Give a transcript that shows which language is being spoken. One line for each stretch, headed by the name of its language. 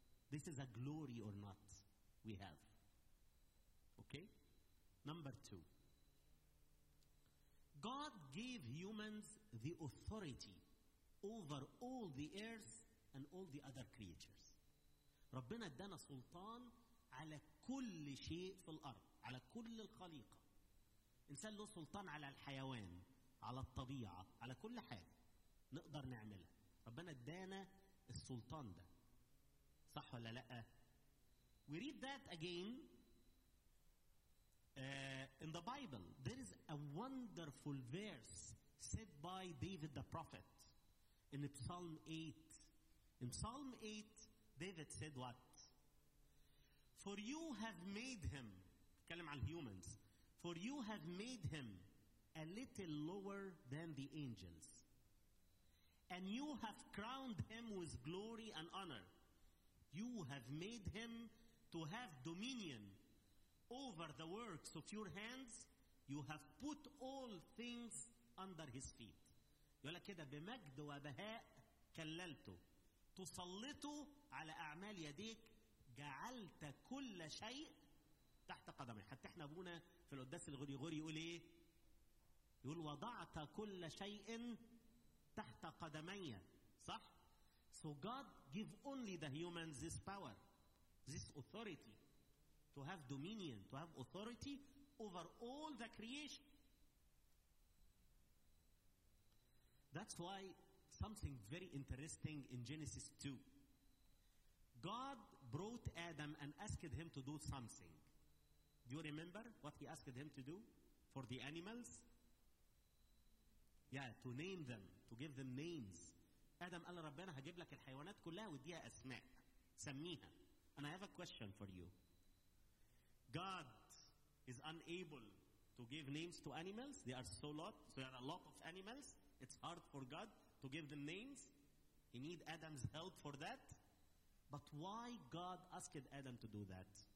English: This is a glory or not we have? Okay? Number two. God gave humans the authority over all the earth and all the other creatures.
Arabic: ربنا ادانا سلطان على كل شيء في الأرض, على كل الخليقة. إنسان له سلطان على الحيوان, على الطبيعة, على كل حاجة نقدر نعملها. ربنا ادانا السلطان ده. صح ولا لا؟
English: We read that again. In the Bible, there is a wonderful verse said by David the prophet in Psalm 8. In Psalm 8, David said what? For you have made him,
Arabic: كلم على
English: humans, for you have made him a little lower than the angels. And you have crowned him with glory and honor. You have made him to have dominion over the works of your hands, you have put all things under his feet.
Arabic: يقول لك كده بمجد وبهاء كللته. تسلطه على أعمال يديك, جعلت كل شيء تحت قدمه. حتى احنا أبونا في القداس الغريغوري يقول ايه؟ يقول وضعت كل شيء تحت قدمي. صح؟
English: So God give only the humans this power, this authority. To have dominion, to have authority over all the creation. That's why something very interesting in Genesis 2. God brought Adam and asked him to do something. Do you remember what he asked him to do for the animals? Yeah, to name them, to give them names.
Arabic: Adam قال ربنا هجيب لك الحيوانات كلها وديها أسماء. سميها.
English: And I have a question for you. God is unable to give names to animals. There are so lot. There are a lot of animals. It's hard for God to give them names. He need Adam's help for that. But why God asked Adam to do that?